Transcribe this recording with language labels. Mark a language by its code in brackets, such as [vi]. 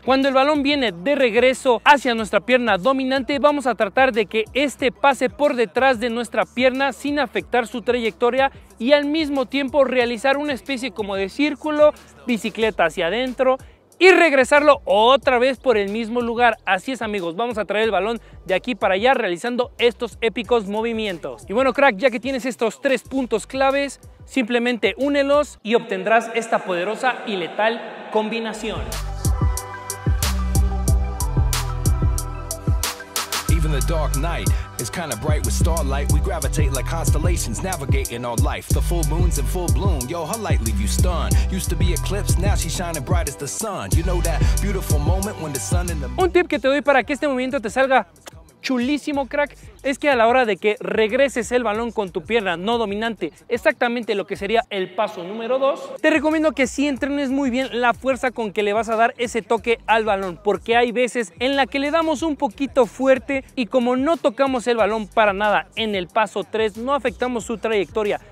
[es] Cuando el balón viene de regreso hacia nuestra pierna dominante, vamos a tratar de que este pase por detrás de nuestra pierna sin afectar su trayectoria y al mismo tiempo realizar una especie como de círculo, bicicleta hacia adentro y regresarlo otra vez por el mismo lugar. Así es amigos, vamos a traer el balón de aquí para allá realizando estos épicos movimientos. Y bueno crack, ya que tienes estos tres puntos claves, simplemente únelos y obtendrás esta poderosa y letal combinación. [en] Even the dark night is kind of bright with starlight. We gravitate like constellations, navigating all life. The full moon's in full bloom. Yo, her light leave you stunned. Used to be eclipse, now she's shining bright as the sun. You know that beautiful moment when the sun and the... [es] Un tip que te doy para que este movimiento te salga chulísimo, crack, es que a la hora de que regreses el balón con tu pierna no dominante, exactamente lo que sería el paso número 2, te recomiendo que sí entrenes muy bien la fuerza con que le vas a dar ese toque al balón, porque hay veces en la que le damos un poquito fuerte y como no tocamos el balón para nada en el paso 3, no afectamos su trayectoria,